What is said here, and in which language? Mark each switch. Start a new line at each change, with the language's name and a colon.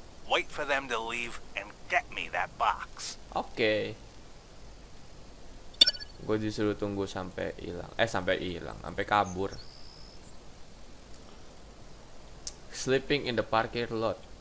English: Wait for them to leave and get me that box. Okay.
Indonesian: Gue disuruh tunggu sampai hilang. Sampai hilang, sampai kabur.
English: Sleeping in the parking lot.